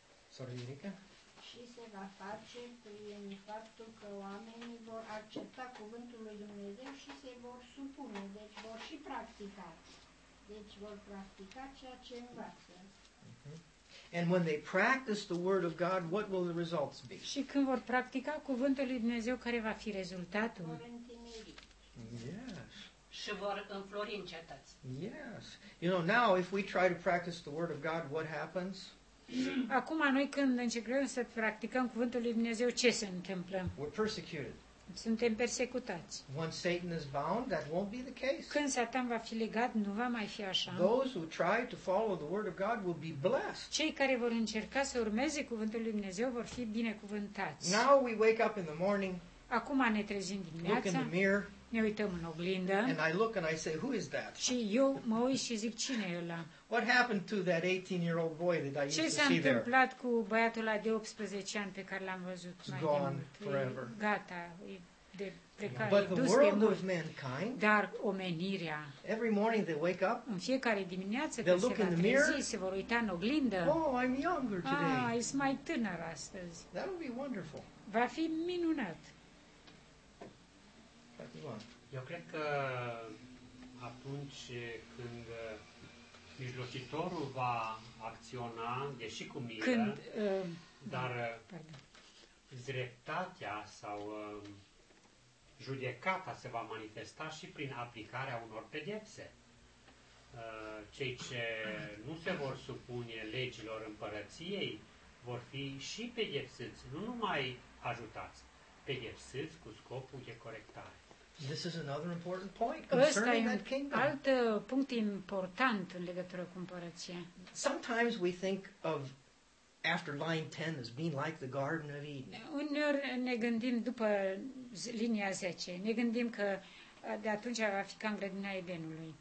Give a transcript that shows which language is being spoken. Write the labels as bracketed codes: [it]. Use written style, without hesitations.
[ro] Sora Irica? Și se va face prin faptul că oamenii vor accepta cuvântul lui Dumnezeu și se vor supune, deci vor și practica. Deci vor practica ceea ce învață. [en] And when they practice the word of God, what will the results be? [ro] Și când vor practica cuvântul lui Dumnezeu, care va fi rezultatul? Vor întinerii. [en] Yes. [ro] Și vor înflori în cetăți. [en] Yes. You know, now if we try to practice the word of God, what happens? [ro] Acum noi când începem să practicăm cuvântul lui Dumnezeu, ce se întâmplă? [en] We're persecuted. [ro] Suntem persecutați. [en] Once Satan is bound, that won't be the case. [ro] Când Satan va fi legat, nu va mai fi așa. [en] Those who try to follow the word of God will be blessed. [ro] Cei care vor încerca să urmeze cuvântul lui Dumnezeu vor fi binecuvântați. [en] Now we wake up in the morning. [ro] Acum ne trezim dimineața. [en] Look in the mirror. [ro] Ne uităm în oglindă. [en] And I look and I say, who is that? [ro] Și eu mă uit și zic, cine e ăla? [en] What happened to that 18-year-old boy that I used to see there? [ro] Ce s-a întâmplat cu băiatul ăla de 18 ani pe care l-am văzut mai demult? [en] Gone forever. [ro] Gata, e de plecat. [en] But the world of mankind. [ro] Dar omenirea. [en] Every morning they wake up. [ro] În fiecare dimineață când se [en] look in the mirror. [ro] Se vor uita în oglindă. [en] Oh, I'm younger today. [ro] Ah, e mai tânăr astăzi. [en] That would be wonderful. [ro] Va fi minunat. Eu cred că atunci când mijlocitorul va acționa, deși cu milă, când, dar dreptatea sau judecata se va manifesta și prin aplicarea unor pedepse. Cei ce nu se vor supune legilor împărăției vor fi și pedepsiți, nu numai ajutați, pedepsiți cu scopul de corectare. [en] This is another important point concerning that kingdom. [ro] Alt punct important în legătură cu împărăția. [en] Sometimes we think of after line 10 as being like the Garden of Eden. [ro] Uneori ne gândim după linia 10, ne gândim că de atunci va fi ca în grădina Edenului.